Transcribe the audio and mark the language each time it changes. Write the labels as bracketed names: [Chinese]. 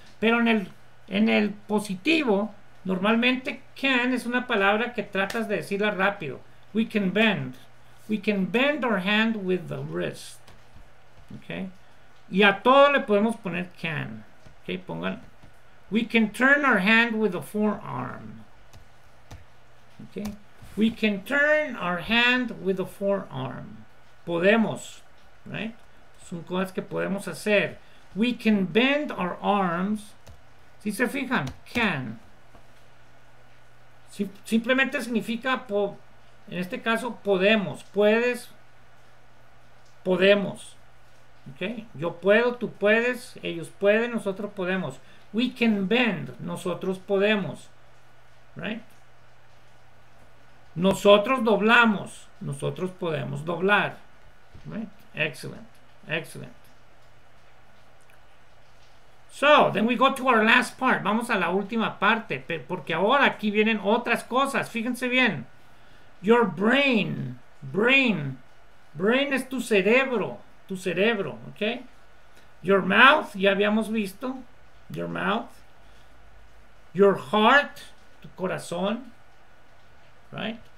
[Spanish] Pero en el positivo, normalmente can es una palabra que tratas de decirla rápido. [English] We can bend. We can bend our hand with the wrist. Okay. [Spanish] Y a todo le podemos poner can. Okay, pongan. [English] We can turn our hand with the forearm. Okay. We can turn our hand with the forearm. [Spanish] Podemos, right? Son cosas que podemos hacer. [English] We can bend our arms. [Spanish] Si se fijan, [English] can. [Spanish] Simplemente significa, en este caso, podemos. Puedes, podemos. Okay? Yo puedo, tú puedes, ellos pueden, nosotros podemos. [English] We can bend, [Spanish] nosotros podemos. [English] Right? [Spanish] Nosotros doblamos, nosotros podemos doblar. Right. [English] Excellent, excellent. So, then we go to our last part. [Spanish] Vamos a la última parte, porque ahora aquí vienen otras cosas. Fíjense bien. [English] Your brain, [Spanish] brain, brain es tu cerebro, okay? [English] Your mouth, [Spanish] ya habíamos visto, [English] your mouth. Your heart, [Spanish] tu corazón, [English] right?